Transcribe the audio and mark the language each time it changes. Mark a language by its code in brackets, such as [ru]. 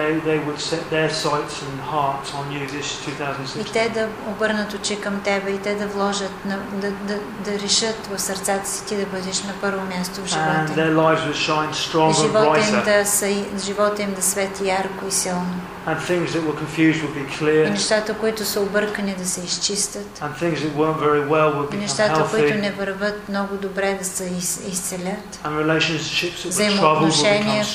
[en] They would set their sights and hearts on you this 2016. [bg] И те да обърнат очи към тебе, и те да вложат, да решат в сърцата си ти да бъдеш на първо място в живота. [en] And their lives would shine stronger and brighter. [bg] Живота им да свети ярко и силно. [en] And things that were confused would be clear. [bg] И нещата, които са объркани, да се изчистят. [en] And things that weren't very well would become healthy. [bg] И нещата, които не върват много добре, да се изцелят. [en] And relationships that were troubled would become strong.